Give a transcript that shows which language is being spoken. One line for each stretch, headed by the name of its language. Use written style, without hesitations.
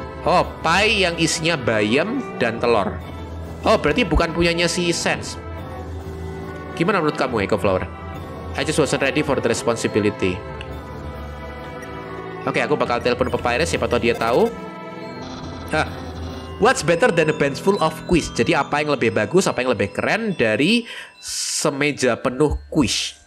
Indonesian: Oh, pie yang isinya bayam dan telur. Oh, berarti bukan punyanya si Sans. Gimana menurut kamu,
English: Eco Flower? I just wasn't ready for the responsibility.
Indonesian: Oke, aku bakal telepon Papyrus, siapa tahu dia tahu.
English: What's better than a bench full of quiz?
Indonesian: Jadi apa yang lebih bagus, apa yang lebih keren dari semeja penuh quiz?